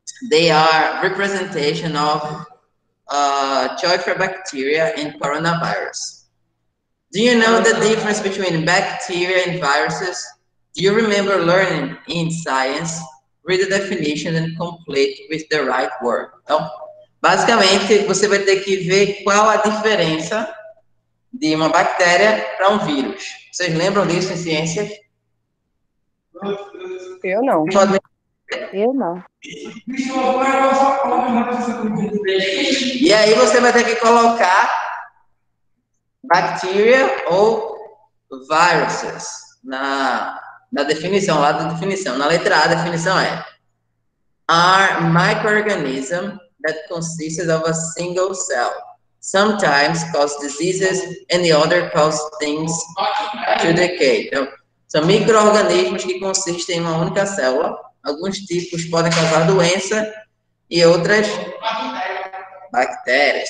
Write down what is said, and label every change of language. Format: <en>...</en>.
<en>They are representation of choice for bacteria and coronavirus. Do you know the difference between bacteria and viruses? Do you remember learning in science? Read the definition and complete with the right word.</en> <pt>Então, basicamente, você vai ter que ver qual a diferença de uma bactéria para um vírus. Vocês lembram disso em ciências? Eu não. Pode... Eu não. E aí você vai ter que colocar bacteria ou viruses na definição, lá da definição. Na letra A, a definição é</pt> <en>are microorganisms that consists of a single cell. Sometimes cause diseases and the other cause things to decay.</en> <pt>Então, são micro-organismos que consistem em uma única célula. Alguns tipos podem causar doença e outras bactérias.</pt>